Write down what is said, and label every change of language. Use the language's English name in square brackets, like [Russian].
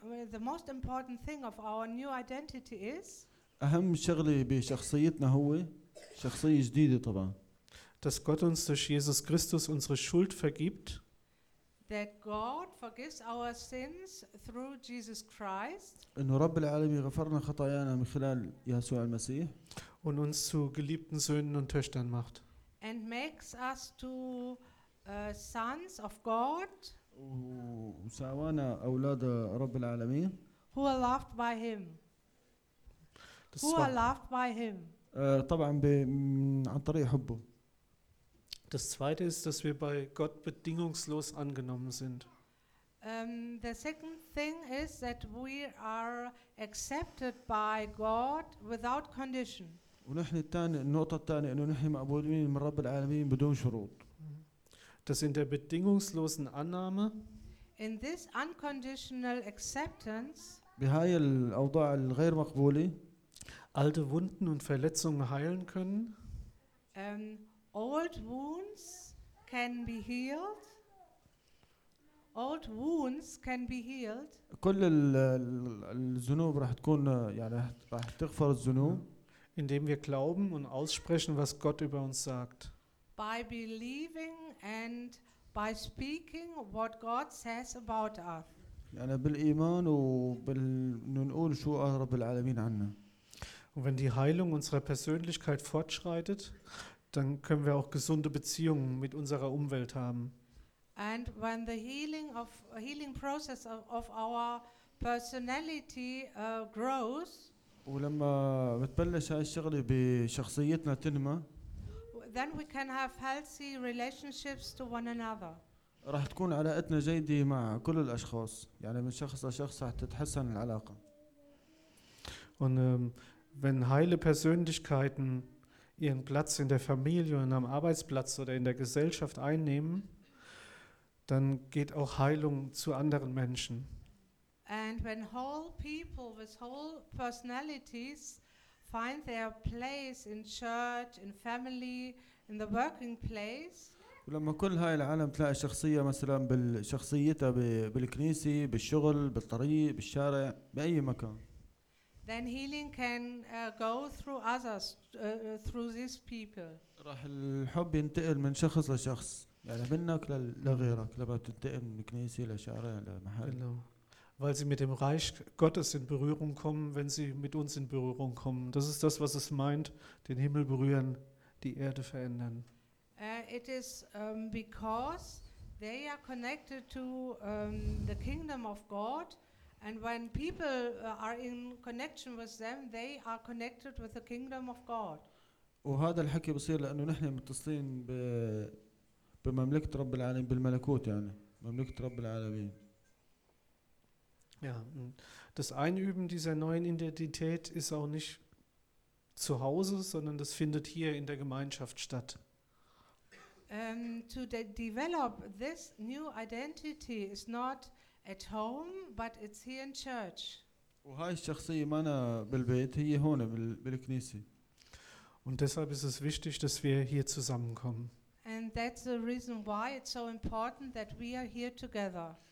[English] the most important thing of our new identity is [Arabic] اهم شغله بشخصيتنا هو شخصيه جديده طبعا. [German] Dass Gott uns durch Jesus Christus unsere Schuld vergibt. [English] That God forgives our sins through Jesus Christ. [Arabic] إنه رب العالمين غفر لنا خطايانا من خلال يسوع المسيح. [German] Und uns zu geliebten Söhnen und Töchtern macht. [English] And makes us to sons of God. [Arabic] وساوانا أولاد رب العالمين. [English] who are loved by him. Who are loved by him. [Arabic] طبعاً عن طريق حبه. [German] Das zweite ist, dass wir bei Gott bedingungslos angenommen sind. [English] The second thing is that we are accepted by God without condition. [Arabic] ونحن الثاني النقطة الثانية إنه نحن مقبولين من رب العالمين بدون شروط. [German] Das in der bedingungslosen Annahme. [English] In this unconditional acceptance. [Arabic] بهاي الأوضاع الغير مقبولة. [German] Alte Wunden und Verletzungen heilen können. [English] Old wounds can be healed. Old wounds can be healed. [Arabic] كل الذنوب راح تكون يعني راح تغفر الذنوب. [German] Indem wir glauben und aussprechen, was Gott über uns sagt. [English] By believing and by speaking what God says about us. [Arabic] يعني بالإيمان وبنقول شو قال رب العالمين عنا. [German] Und wenn die Heilung unserer Persönlichkeit fortschreitet, dann können wir auch gesunde Beziehungen mit unserer Umwelt haben. [English] And when the healing process of our personality grows, [Arabic] ولما بتبلش هاي الشغلة بشخصيتنا تنمى, [English] then we can have healthy relationships to one another. [Arabic] راح تكون علاقتنا جيدة مع كل الأشخاص, يعني من شخص لشخص راح تتحسن العلاقة. [German] Und wenn heile Persönlichkeiten ihren Platz in der Familie und am Arbeitsplatz oder in der Gesellschaft einnehmen, dann geht auch Heilung zu anderen Menschen. [English] And when whole people with whole personalities find their place in church, in family, in the working place. [Arabic] ولما كل هاي العالم تلاقي شخصية مثلا بالشخصيتها بالكنيسة, بالشغل, بالطريق, بالشارع, بأي مكان. [English] Then healing can go through others, through these people. [Arabic] راح الحب ينتقل من شخص لشخص, يعني منك لغيرك, لما تنتقل من كنيسة لشارع لمحل. [German] Weil sie mit dem Reich Gottes in Berührung kommen, wenn sie mit uns in Berührung kommen. Das ist das, was es meint, den Himmel berühren, die Erde verändern. [English] It is because they are connected to the kingdom of God. And when people are in connection with them, they are connected with the kingdom of God. [Arabic] وهذا الحكي بصير لأنه نحن متصلين بمملكة رب العالمين, بالملكوت يعني, مملكة رب العالمين. [German] Ja, das Einüben dieser neuen Identität ist auch nicht zu Hause, sondern das findet hier in der Gemeinschaft statt. [English] To develop this new identity is not at home, but it's here in church. [Arabic] وهاي الشخصية ما أنا بالبيت, هي هون بالكنيسة. [German] Und deshalb ist es wichtig, dass wir hier zusammenkommen. [English] And that's the reason why it's so important that we are here together.